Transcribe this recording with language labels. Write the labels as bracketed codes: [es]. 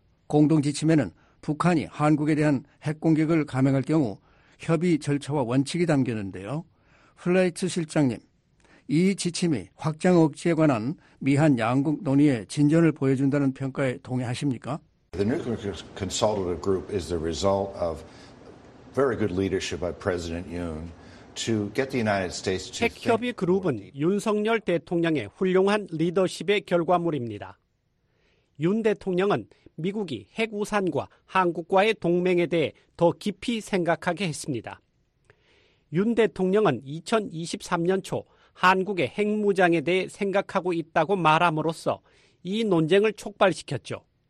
[ko] 공동지침에는 북한이 한국에 대한 핵공격을 감행할 경우 협의 절차와 원칙이 담겼는데요. 플라이트 실장님, 이 지침이 확장 억제에 관한 미한 양국 논의의 진전을 보여준다는 평가에 동의하십니까? [en] The nuclear consultative group is the result of very good leadership by President Yoon to get the United States to. [ko] 핵 협의 그룹은 윤석열 대통령의 훌륭한 리더십의 결과물입니다. 윤 대통령은 미국이 핵 우산과 한국과의 동맹에 대해 더 깊이 생각하게 했습니다. 윤 대통령은 2023년 초 한국의 핵무장에 대해 생각하고 있다고 말함으로써 이 논쟁을 촉발시켰죠.